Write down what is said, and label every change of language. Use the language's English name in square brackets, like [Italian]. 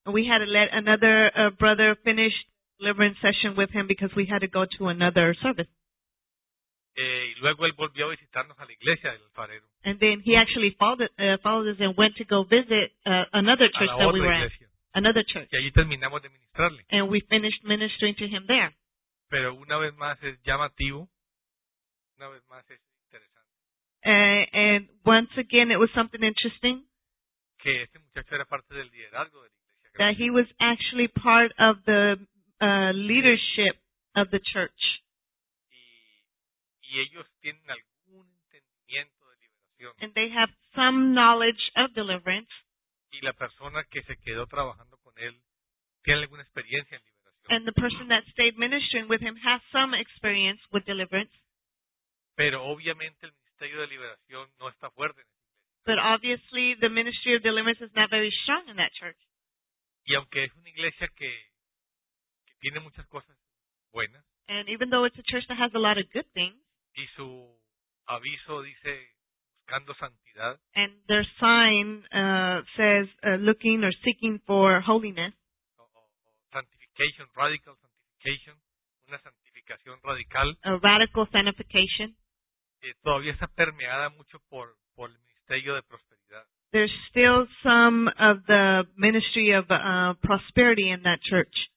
[English] We had to let another brother finish deliverance session with him because we had to go to another service. [Spanish] Y luego él volvió a visitarnos a la iglesia del alfarero. [English] And then he actually followed us and went to go visit another church that we were [Spanish] iglesia. [English] At. Another church. [Spanish] Y allí terminamos de ministrarle. [English] And we finished ministering to him there. [Spanish] Pero una vez más es llamativo. Una vez más es interesante. [English] And once again, it was something interesting. [Spanish] Que este muchacho era parte del liderazgo de la iglesia. [English] That he was actually part of the leadership of the church. [Spanish] Y ellos tienen algún entendimiento de liberación. [English] And they have some knowledge of deliverance. [Spanish] Y la persona que se quedó trabajando con él tiene alguna experiencia en liberación. [English] And the person that stayed ministering with him has some experience with deliverance. [Spanish] Pero obviamente el ministerio de liberación no está fuerte en esa iglesia. [English] But obviously the ministry of deliverance is not very strong in that church. [Spanish] Y aunque es una iglesia que tiene muchas cosas buenas. [English] And even though it's a church that has a lot of good things. [Spanish] Y su aviso dice buscando santidad. [English] And their sign says looking or seeking for holiness. Sanctification, radical sanctification, [Spanish] una santificación radical. [English] A radical sanctification. [Spanish] Todavía está permeada mucho por el ministerio de prosperidad. [English] There's still some of the ministry of prosperity in that church.